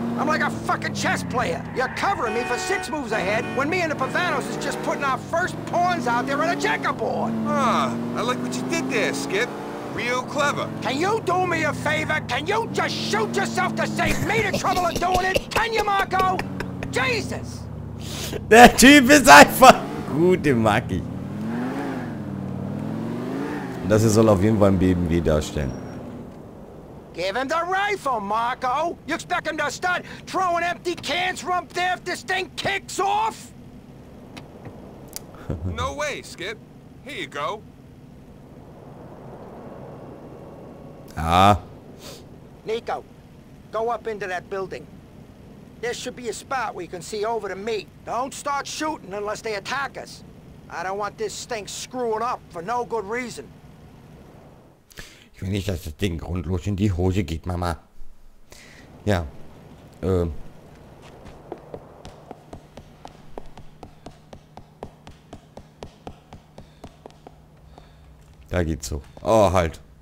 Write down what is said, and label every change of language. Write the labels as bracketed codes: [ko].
[en] I'm like a fucking chess player. You're covering me for six moves ahead when me and the Pavanos is just putting our first pawns out there on a checkerboard. I like what you did there, Skip. Real clever. Can you do me a favor? Can you just shoot yourself to save me the trouble of doing it? Can you, Marco? Jesus! [de] Der Typ ist einfach gut, den mag ich. Das soll auf jeden Fall ein BMW darstellen. [en] Give him the rifle, Marco! You expect him to start throwing empty cans from there if this thing kicks off? No way, Skip. Here you go. Ah. Nico, go up into that building. There should be a spot where you can see over to me. Don't start shooting unless they attack us. I don't want this thing screwing up for no good reason. [de] Wenn ich das Ding grundlos in die Hose geht, Mama. Ja. Da geht's so. Oh, halt.